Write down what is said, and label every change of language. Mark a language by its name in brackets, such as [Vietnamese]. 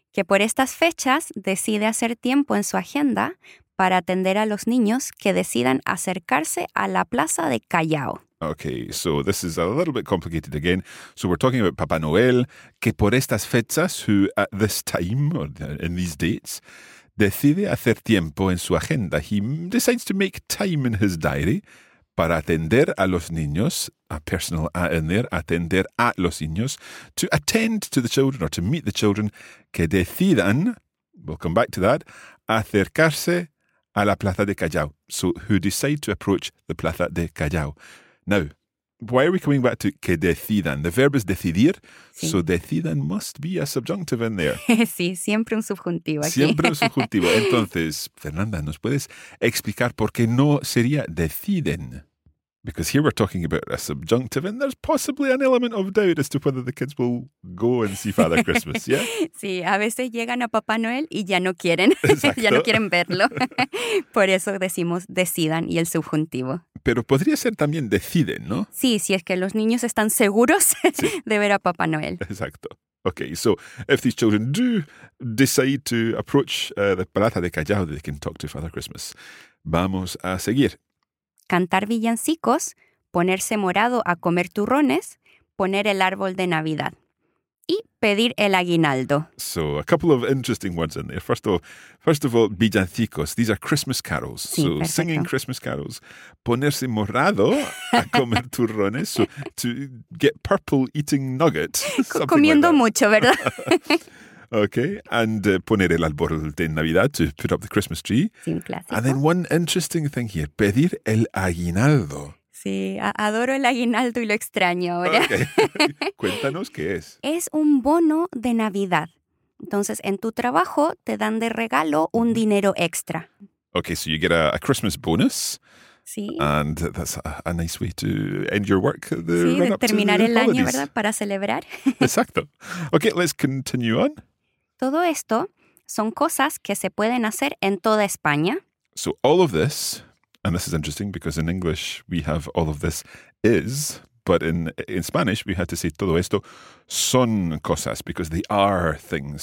[Spanish] Que por estas fechas decide hacer tiempo en su agenda para atender a los niños que decidan acercarse a la Plaza de Callao. [English] Okay, so this is a little bit complicated again. So we're talking about Papá Noel, [Spanish] que por estas fechas, [English] who at this time, or in these dates, [Spanish] decide hacer tiempo en su agenda. [English] He decides to make time in his diary [Spanish] para atender a los niños, [English] a personal a in there, [Spanish] atender a los niños, [English] to attend to the children or to meet the children [Spanish] que decidan, [English] we'll come back to that, [Spanish] acercarse a la Plaza de Callao. [English] So who decide to approach the Plaza de Callao. Now, why are we coming back to [Spanish] que decidan? [English] The verb is decidir, sí. So decidan must be a subjunctive in there. [Spanish] Sí, siempre un subjuntivo aquí. Siempre un subjuntivo. Entonces, Fernanda, ¿nos puedes explicar por qué no sería deciden? [English] Because here we're talking about a subjunctive and there's possibly an element of doubt as to whether the kids will go and see Father Christmas, yeah? [Spanish] Sí, a veces llegan a Papá Noel y ya no quieren. Exacto. Ya no quieren verlo. Por eso decimos decidan y el subjuntivo. Pero podría ser también deciden, ¿no? Sí, si es que los niños están seguros sí. De ver a Papá Noel. Exacto. [English] Okay, so if these children do decide to approach the Plaza de Callao, they can talk to Father Christmas. [Spanish] Vamos a seguir. Cantar villancicos, ponerse morado a comer turrones, poner el árbol de Navidad y pedir el aguinaldo. [English] So, a couple of interesting words in there. First of all, villancicos. These are Christmas carols. [Spanish] Sí, [English] so, [Spanish] perfecto. [English] Singing Christmas carols. [Spanish] Ponerse morado a comer turrones. [English] So, to get purple eating nuggets. [Spanish] Comiendo [English] like [Spanish] mucho, ¿verdad? [English] Okay, and [Spanish] poner el árbol de Navidad, [English] to put up the Christmas tree. [Spanish] Sí, un clásico. [English] And then one interesting thing here, [Spanish] pedir el aguinaldo. Sí, adoro el aguinaldo y lo extraño ahora. Okay. Cuéntanos qué es. Es un bono de Navidad. Entonces, en tu trabajo te dan de regalo un dinero extra. [English] Okay, so you get a Christmas bonus. [Spanish] Sí. [English] And that's a nice way to end your work. The [Spanish] sí, [English] run [Spanish] de terminar [English] up to the [Spanish] el [English] holidays. [Spanish] Año, ¿verdad? Para celebrar. [English] Exacto. Okay, let's continue on. [Spanish] Todo esto son cosas que se pueden hacer en toda España. [English] So all of this, and this is interesting because in English we have all of this is, but in Spanish we had to say [Spanish] todo esto son cosas [English] because they are things.